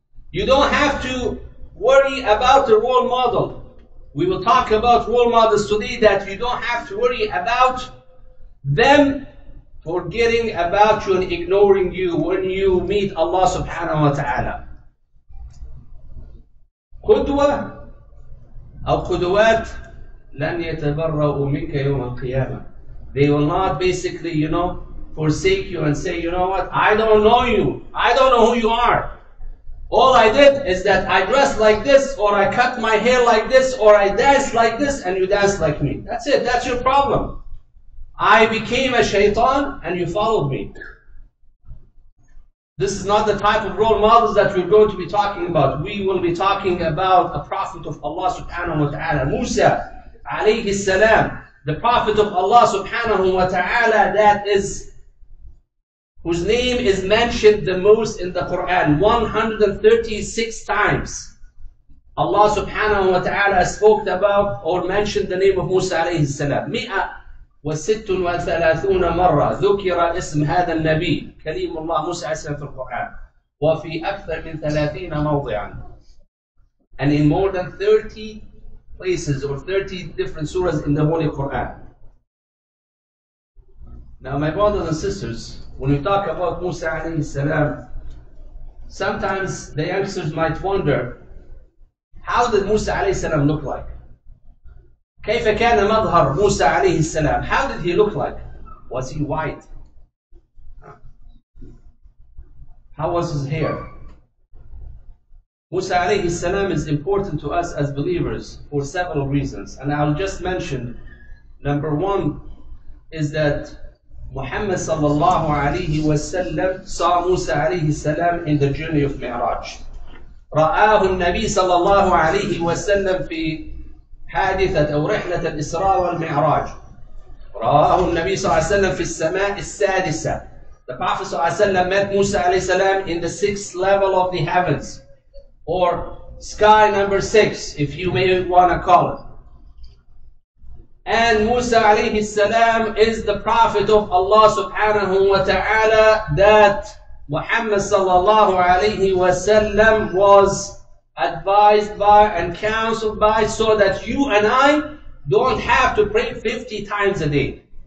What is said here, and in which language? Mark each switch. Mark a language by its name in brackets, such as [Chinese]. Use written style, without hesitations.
[English] You don't have to worry about the role model. We will talk about role models today, that you don't have to worry about them forgetting about you and ignoring you when you meet Allah subhanahu wa ta'ala. [Arabic] قدوة أو قدوات لن يتبرأوا منك يوم القيامة. [English] They will not basically, you know, forsake you and say, you know what, I don't know you, I don't know who you are. All I did is that I dressed like this, or I cut my hair like this, or I danced like this, and you danced like me. That's it, that's your problem. I became a shaitan and you followed me. This is not the type of role models that we're going to be talking about. We will be talking about a prophet of Allah subhanahu wa ta'ala, Musa alayhi salam, the prophet of Allah subhanahu wa ta'ala, that is, whose name is mentioned the most in the Quran, 136 times. Allah subhanahu wa ta'ala spoke about or mentioned the name of Musa alayhi salam. [Arabic] 136 مرة ذكر اسم هذا النبي كليم الله موسى عليه السلام في القرآن وفي أكثر من 30 موضعا. [English] And in more than 30 places or 30 different surahs in the Holy Quran. Now my brothers and sisters, when we talk about موسى عليه السلام, sometimes the youngsters might wonder, how did موسى عليه السلام look like? [Arabic] كيف كان مظهر موسى عليه السلام? [English] How did he look like? Was he white? How was his hair? موسى عليه السلام is important to us as believers for several reasons. And I'll just mention, number one is that Muhammad صلى الله عليه وسلم saw موسى عليه السلام in the journey of Mi'raj. [Arabic] رآه النبي صلى الله عليه وسلم في حادثة أو رحلة الإسراء والمعراج. رآه النبي صلى الله عليه وسلم في السماء السادسة. [English] The Prophet صلى الله عليه وسلم met Musa عليه السلام in the sixth level of the heavens, or sky number six, if you may want to call it. And Musa عليه السلام is the Prophet of Allah سبحانه وتعالى that Muhammad صلى الله عليه وسلم was advised by and counseled by, so that you and I don't have to pray 50 times a day.